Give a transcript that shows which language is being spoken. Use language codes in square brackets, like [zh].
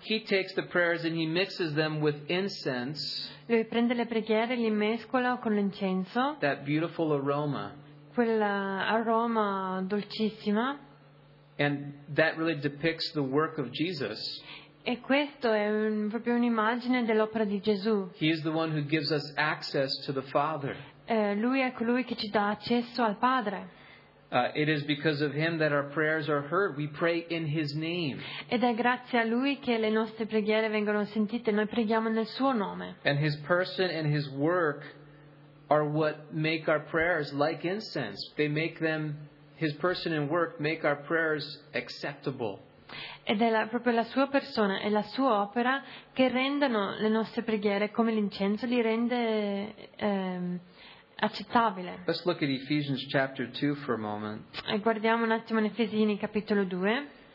[en] He takes the prayers and he mixes them with incense. [it] Lui prende le preghiere e li mescola con l'incenso. [en] That beautiful aroma. [it] Quell'aroma dolcissima. [en] And that really depicts the work of Jesus. [it] E questo è proprio un'immagine dell'opera di Gesù. [en] He is the one who gives us access to the Father. [it] Lui è colui che ci dà accesso al Padre. [en] It is because of him that our prayers are heard. We pray in his name. [it] Ed è grazie a lui che le nostre preghiere vengono sentite. Noi preghiamo nel suo nome. [en] And his person and his work are what make our prayers like incense. They make them. His person and work make our prayers acceptable. [it] Ed è proprio la sua persona e la sua opera che rendono le nostre preghiere come l'incenso li rende accettabile. [en] Let's look at Ephesians chapter 2 for a moment. [it] E guardiamo un attimo in Efesini capitolo 2.